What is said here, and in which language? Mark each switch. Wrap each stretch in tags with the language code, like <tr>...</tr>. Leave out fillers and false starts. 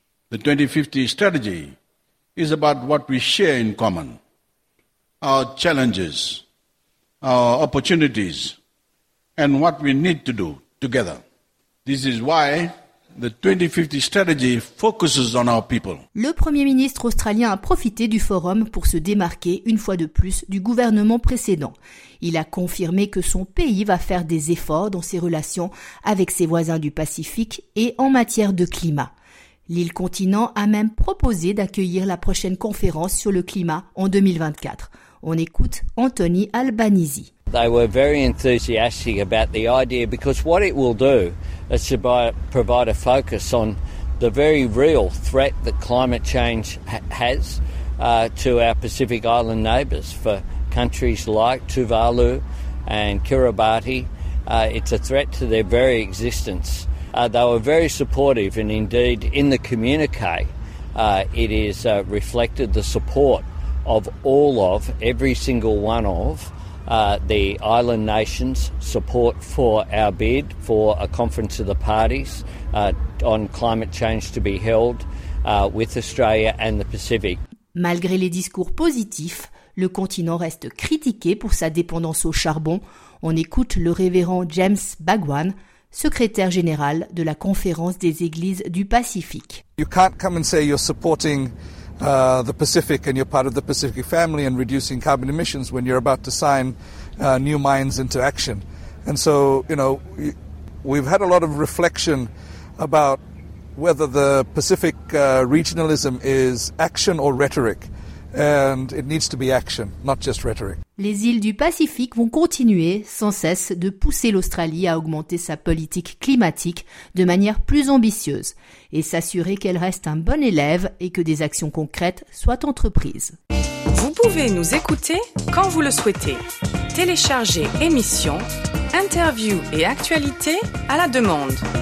<en>The 2050 strategy is about what we share in common, our challenges, our opportunities, and what we need to do together. This is why the 2050 strategy focuses on our people.</en> <fr>Le Premier ministre australien a profité du forum pour se démarquer une fois de plus du gouvernement précédent. Il a confirmé que son pays va faire des efforts dans ses relations avec ses voisins du Pacifique et en matière de climat. L'île continent a même proposé d'accueillir la prochaine conférence sur le climat en 2024. On écoute Anthony Albanese.</fr> <en>They were very enthusiastic about the idea because what it will do is to provide a focus on the very real threat that climate change has to our Pacific Island neighbours. For countries like Tuvalu and Kiribati, it's a threat to their very existence. They were very supportive, and indeed in the communique, it is reflected the support of all of, every single one of, the island nations' support for our bid for a conference of the parties on climate change to be held with Australia and the Pacific.</en> <fr>Malgré les discours positifs, le continent reste critiqué pour sa dépendance au charbon. On écoute le révérend James Bhagwan, secrétaire général de la Conférence des Églises du Pacifique.</fr> <en>You can't come and say you're supporting the Pacific and you're part of the Pacific family and reducing carbon emissions when you're about to sign new mines into action. And so, you know, we've had a lot of reflection about whether the Pacific regionalism is action or rhetoric. And it needs to be action, not just rhetoric.</en> <fr>Les îles du Pacifique vont continuer sans cesse de pousser l'Australie à augmenter sa politique climatique de manière plus ambitieuse et s'assurer qu'elle reste un bon élève et que des actions concrètes soient entreprises. Vous pouvez nous écouter quand vous le souhaitez. Téléchargez émissions, interviews et actualités à la demande.</fr>